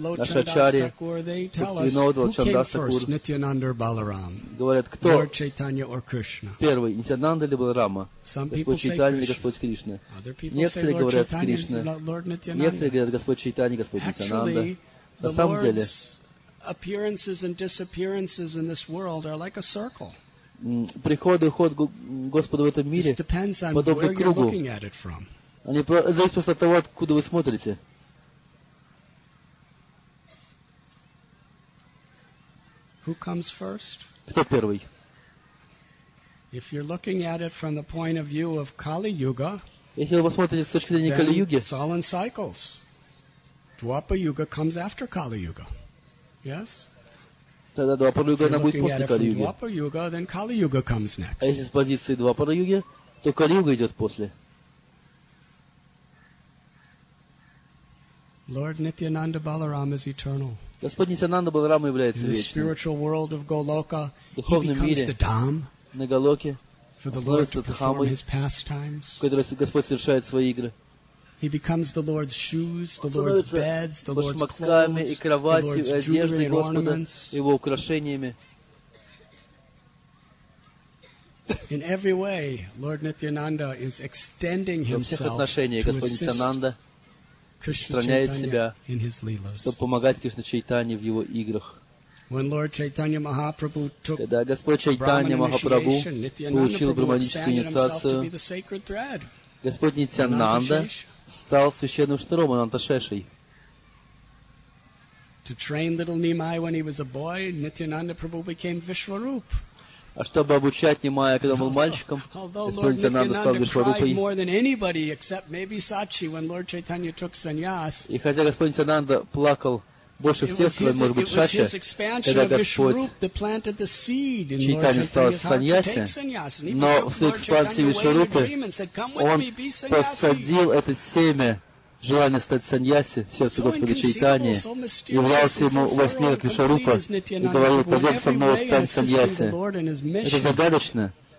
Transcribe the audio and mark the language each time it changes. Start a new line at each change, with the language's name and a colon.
Russian: Лочандас Такур говорят, кто первый, Нитьянанда или Баларама? Господь Чайтанья или Господь Кришна? Некоторые говорят Кришна, некоторые говорят Господь Чайтанья, Господь Нитьянанда. На самом деле,
English: appearances and disappearances in this world are like a circle.
Russian: Приход и уход Господа в этом мире подобно кругу. Они зависят от того, откуда вы смотрите.
English: Who comes first?
Russian: Кто первый?
English: If you're looking at it from the point of view of Kali Yuga,
Russian: если вы посмотрите с точки зрения Кали Юги,
English: it's all in cycles. Dwapara Yuga comes after Kali Yuga. Yes.
Russian: Тогда Двапара Юга нам будет после Кали Юги.
English: Dwapara Yuga, then Kali Yuga comes next.
Russian: А если с позиции Двапара Юги, то Кали Юга идет после.
English: Lord Nityananda Balaram is eternal.
Russian: Господь Нитьянанда Баларама является вечным.
English: In the spiritual world of Goloka,
Russian: духовном
English: he becomes
Russian: мире,
English: the Dham.
Russian: На Голоке,
English: for the Lord to perform his pastimes.
Russian: В которой Господь совершает свои игры.
English: He becomes the Lord's shoes, the Lord's beds, the Lord's clothes,
Russian: кровати,
English: the Lord's jewelry and ornaments.
Russian: Его украшениями.
English: In every way, Lord Nityananda is extending himself to assist Krishna Chaitanya in his leelas.
Russian: Чтобы помогать Кришна Чайтанье в его играх.
English: When Lord Chaitanya Mahaprabhu took Brahman initiation, Nityananda Prabhu expanded himself to be the sacred thread.
Russian: Господь Нитьянанда стал священным шнуром Анантошешей.
English: To train little Nimai when he was a boy, Nityananda Prabhu became Vishwarup.
Russian: А чтобы обучать Нимая, когда он был мальчиком, Господь Нитьянанда стал Вишварупой.
English: More than anybody, except maybe Sachi, when Lord Chaitanya took sannyas.
Russian: И хотя Господь Нитьянанда плакал больше всех, кроме, может быть, Сачи, когда Господь Чайтанья стал саньяси, но в своей экспансии Вишварупы он посадил это семя желания стать саньяси в сердце Господа Чайтаньи, являлся ему во сне как Вишварупа и говорил: «Пойдем со мной, стань саньяси». Это загадочно.